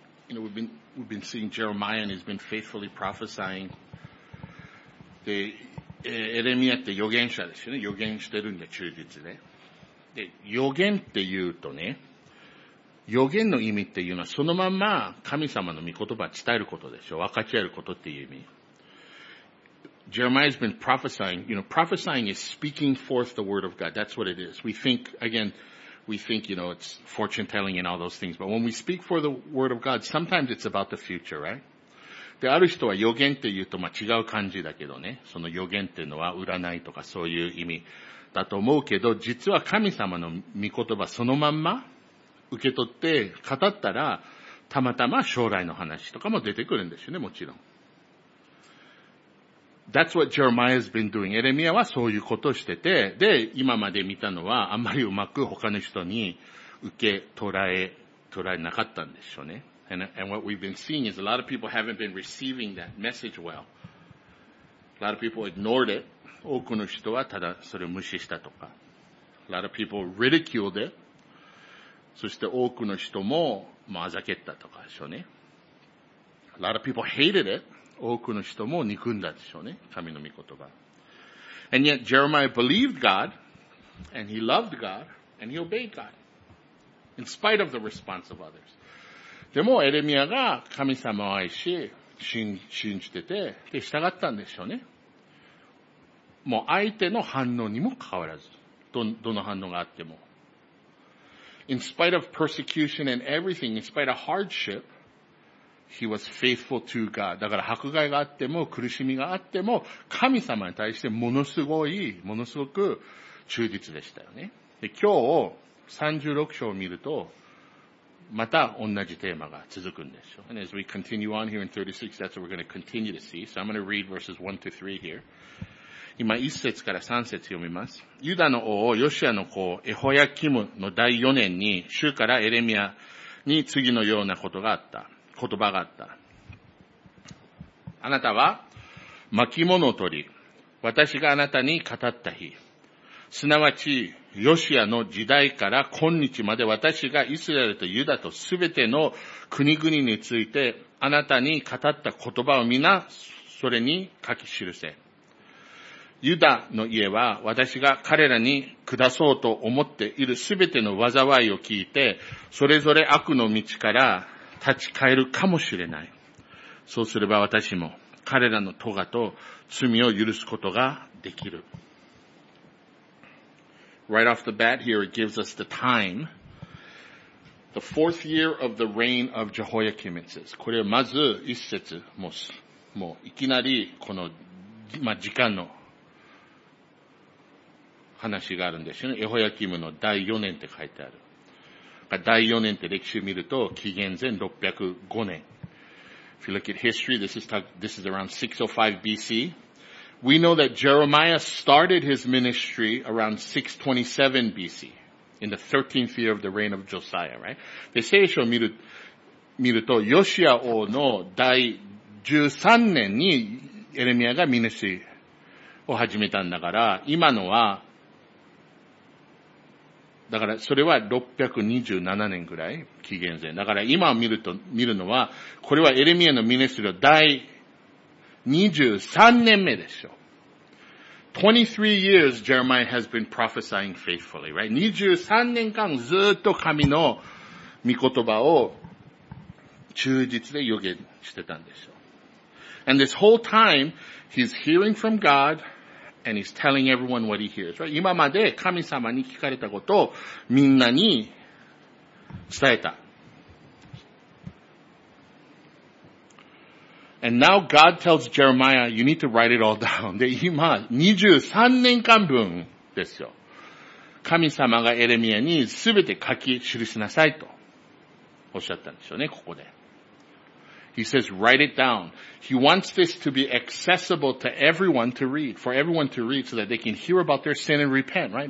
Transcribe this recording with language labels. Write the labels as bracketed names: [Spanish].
[English] You know, we've been seeing Jeremiah and he's been faithfully prophesying. [Japanese] で、エレミアって預言者ですよね。預言してるんで、忠実で。で、預言って言うとね、預言の意味っていうのはそのまま神様の御言葉を伝えることでしょ。分かち合えることっていう意味。 [English] Jeremiah's been prophesying. You know, prophesying is speaking forth the word of God. That's what it is. We think, you know, it's fortune telling and all those things. But when we speak for the word of God, sometimes it's about the future, right? [Japanese] で、ある人は預言って言うと、まあ、違う感じだけどね。その預言っていうのは占いとかそういう意味だと思うけど、実は神様の御言葉そのまんま受け取って語ったら、たまたま将来の話とかも出てくるんですよね、もちろん。 [English] That's what Jeremiah has been doing. [Japanese] エレミアはそういうことをしてて、で、今まで見たのはあんまりうまく他の人に受け捉えなかったんでしょうね。 [English] And what we've been seeing is a lot of people haven't been receiving that message well. A lot of people ignored it. [Japanese] 多くの人はただそれを無視したとか。 [English] A lot of people ridiculed it. [Japanese] そして多くの人も、あざけったとかでしょうね。 [English] A lot of people hated it. [Japanese] 多くの人も憎んだでしょうね。神の御言葉。 [English] And yet, Jeremiah believed God, and he loved God, and he obeyed God, in spite of the response of others. [Japanese] でも、エレミアが神様を愛し、信じてて、で、従ったんでしょうね。もう相手の反応にも関わらず、どの反応があっても。 [English] In spite of persecution and everything, in spite of hardship,He was faithful to God. [Japanese] だから迫害があっても苦しみがあっても神様に対してものすごく忠実でしたよね。で、今日36章を見るとまた同じテーマが続くんでしょう。 [English] And as we continue on here in 36, that's what we're going to continue to see. So I'm going to read verses 1 to 3 here. [Japanese] 今1節から3節読みます。ユダの王ヨシアの子エホヤキムの第4年に主からエレミアに次のようなことがあった。言葉があった。あなたは巻物を取り、私があなたに語った日、すなわちヨシアの時代から今日まで私がイスラエルとユダとすべての国々についてあなたに語った言葉を皆それに書き記せ。ユダの家は私が彼らに下そうと思っているすべての災いを聞いて、それぞれ悪の道から立ち返るかもしれない。そうすれば私も彼らの咎と罪を許すことができる。 [English] Right off the bat here, it gives us the time. The fourth year of the reign of Jehoiakim, it says. [Japanese] これはまず一節、もういきなりこの、時間の話があるんですよね。エホヤキムの第四年って書いてある。第4年って歴史を見ると、紀元前605年。 [English] If you look at history, this is around 605 BC. We know that Jeremiah started his ministry around 627 BC, in the 13th year of the reign of Josiah, right? [Japanese] で、聖書を見ると、ヨシア王の第13年にエレミアがミニシーを始めたんだから、今のは、だからそれは627年ぐらい紀元前。だから今見るのはこれはエレミアのミネスリー第23年目でしょ。 [English] 23 years Jeremiah has been prophesying faithfully, right? [Japanese] 23年間ずっと神の御言葉を忠実で預言してたんでしょ。 [English] And this whole time he's hearing from God. And he's telling everyone what he hears, right? [Japanese] 今まで神様に聞かれたことをみんなに伝えた。 [English] And now God tells Jeremiah, you need to write it all down. [Japanese] で、今、23年間分ですよ。神様がエレミアにすべて書き記しなさいとおっしゃったんでしょうね、ここで。 [English] He says, write it down. He wants this to be accessible to everyone to read, for everyone to read so that they can hear about their sin and repent, right?